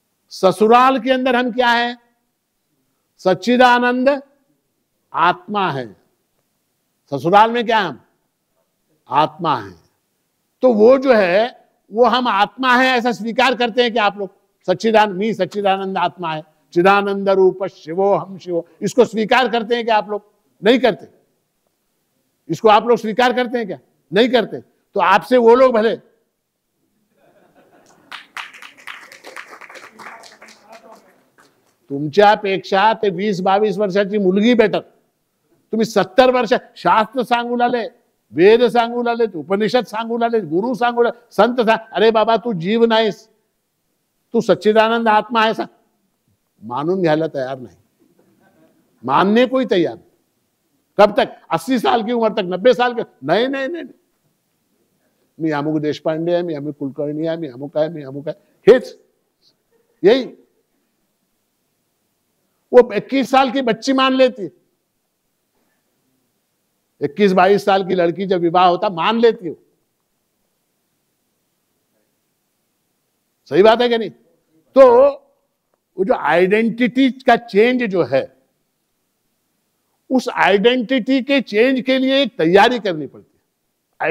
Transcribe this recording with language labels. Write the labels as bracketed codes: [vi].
[hi] ससुराल के अंदर हम क्या है? सच्चिदानंद आत्मा है। ससुराल में क्या हम? आत्मा है। तो वो जो है वो हम आत्मा है ऐसा स्वीकार करते हैं कि आप लोग सच्चिदान मी सच्चिदानंद आत्मा है, [sa] चिदानंद रूप शिवो हम शिवो, [hi] इसको स्वीकार करते हैं क्या आप लोग? नहीं करते। इसको आप लोग स्वीकार करते हैं क्या? नहीं करते। तो आपसे वो लोग भले, [mr] तुमच्या पेक्षा ते 20-22 वर्षाची मुलगी बेटर, तुम्ही 70 वर्ष शास्त्र सांगू लागले, वेद सांगू लागले, उपनिषद सांगू लागले, गुरु सांगू लागले, संत सा, अरे बाबा तू जीव नाहीस, तू सच्चिदानंद आत्मा आहेस, मानून घ्यायला तयार नाही, [hi] मानने कोई तयार नाही। कब तक? 80 साल की उम्र तक, 90 साल के? नहीं नहीं [mr] नहीं, मी अमुक देशपांडे आहे, मी अमुक कुलकर्णी आहे, मी अमुक आहे, हेच यही। [hi] वो 21 साल की बच्ची मान लेती है, 21-22 साल की लड़की जब विवाह होता मान लेती हो, सही बात है कि नहीं? तो वो जो आइडेंटिटी का चेंज जो है, उस आइडेंटिटी के चेंज के लिए एक तैयारी करनी पड़ती है।